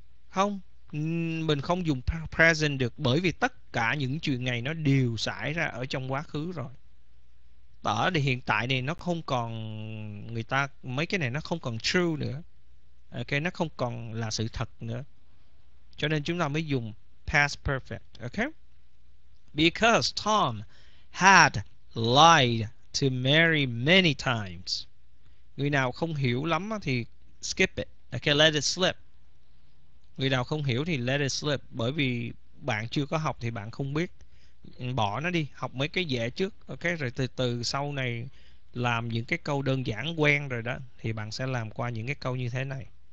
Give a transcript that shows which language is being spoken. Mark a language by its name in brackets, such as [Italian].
[Vietnamese] Không, mình không dùng present được bởi vì tất cả những chuyện này nó đều xảy ra ở trong quá khứ rồi. Ở thì hiện tại này nó không còn, người ta mấy cái này nó không còn true nữa. Ok, nó không còn là sự thật nữa. Cho nên chúng ta mới dùng past perfect, ok? [English] Because Tom had lied to Mary many times. [Vietnamese] Người nào không hiểu lắm thì [English] skip it. Ok, let it slip. [Vietnamese] Người nào không hiểu thì [English] let it slip, [Vietnamese] bởi vì bạn chưa có học thì bạn không biết. Bỏ nó đi, học mấy cái dễ trước, ok, rồi từ từ sau này làm những cái câu đơn giản quen rồi đó thì bạn sẽ làm qua những cái câu như thế này.